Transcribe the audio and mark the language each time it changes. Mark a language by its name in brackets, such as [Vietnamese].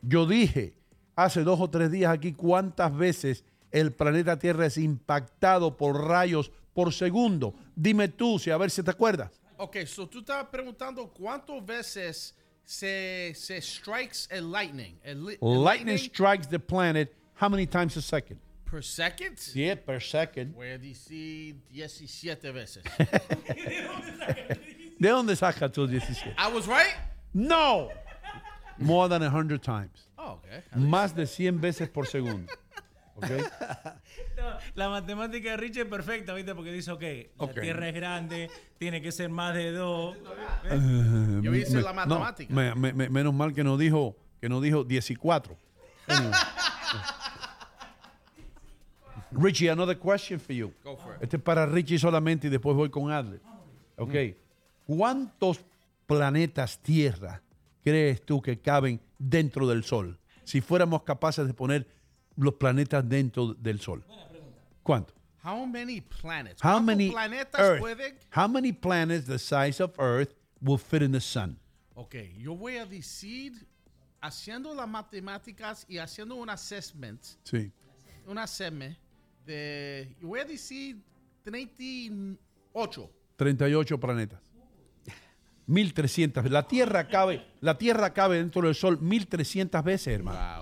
[Spanish] Yo dije hace dos o tres días aquí cuántas veces el planeta Tierra es impactado por rayos por segundo. Dime tú, si a ver si te acuerdas. Ok, so tú estabas preguntando cuántas veces se [English] strikes [Spanish] el [English] lightning. Lightning strikes the planet how many times a second? Per second? [Spanish] Sí, [English] yeah, per second. [Spanish] Voy a decir 17 veces. ¿De dónde sacas tú 17? [English] I was right? No. More than 100 times. Oh, okay. [Spanish] Más de 100 veces por segundo. Okay. No, la matemática de Richie es perfecta, ¿viste? Porque dice, okay, la Tierra es grande, tiene que ser más de dos. Yo hice la matemática. No, menos mal que no dijo 14. [English] Richie, another question for you. Go for it. [Spanish] Este es para Richie solamente y después voy con Adler. Okay. ¿Cuántos planetas Tierra crees tú que caben dentro del Sol? Si fuéramos capaces de poner los planetas dentro del Sol. ¿Cuánto? [English] How many planets? How many [Spanish] planetas [English] Earth? [Spanish] Pueden? [English] How many planets the size of Earth will fit in the Sun? [Spanish] Okay, yo voy a decir, haciendo las matemáticas y haciendo un assessment. Sí. Un assessment de, yo voy a decir 38 planetas. 1300. La Tierra cabe dentro del Sol 1300 veces, hermano.